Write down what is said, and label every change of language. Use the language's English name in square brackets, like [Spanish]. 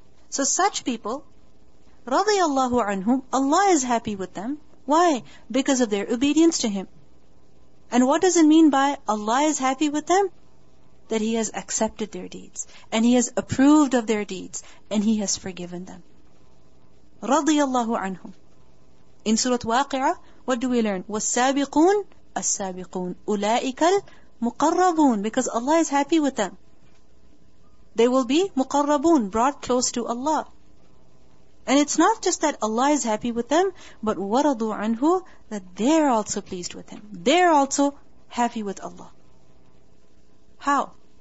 [English] So such people, radiyallahu anhum, Allah is happy with them. Why? Because of their obedience to Him. And what does it mean by Allah is happy with them? That He has accepted their deeds, and He has approved of their deeds, and He has forgiven them. Radiyallahu anhum. In Surah Waqi'ah, what do we learn? [Arabic] والسابقون السابقون أولئك المقربون. [English] Because Allah is happy with them. They will be مقربون, brought close to Allah. And it's not just that Allah is happy with them, but [Arabic] ورضوا عنه, [English] that they're also pleased with Him. They're also happy with Allah. How?